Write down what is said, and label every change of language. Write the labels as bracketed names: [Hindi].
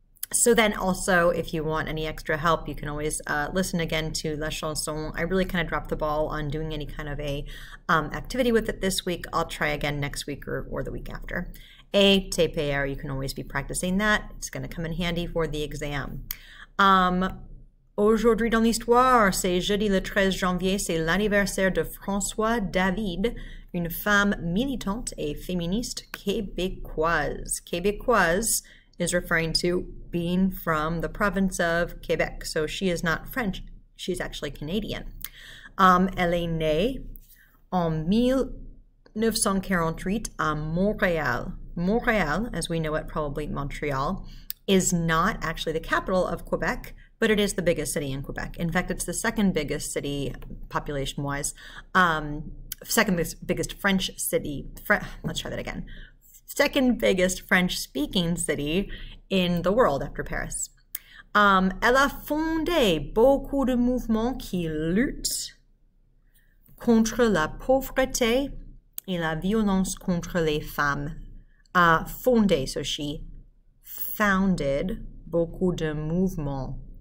[English] So then also, if you want any extra help, you can always listen again to La Chanson. I really kind of dropped the ball on doing any kind of a activity with it this week. I'll try again next week or the week after. Et TPR, you can always be practicing that. It's going to come in handy for the exam. [French] Aujourd'hui dans l'histoire, c'est jeudi le 13 janvier, c'est l'anniversaire de Françoise David, une femme militante et féministe québécoise. [English] Québécoise is referring to being from the province of Quebec. So she is not French, she's actually Canadian. [French] Elle est née en 1948 à Montréal. [English] Montréal, as we know it, probably Montreal, is not actually the capital of Quebec. But it is the biggest city in Quebec. In fact, it's the second biggest city population-wise, second biggest French city. Let's try that again. Second biggest French-speaking city in the world after Paris. [French] Elle a fondé beaucoup de mouvements qui luttent contre la pauvreté et la violence contre les femmes. [English] Fondé, so she founded [French] beaucoup de mouvements.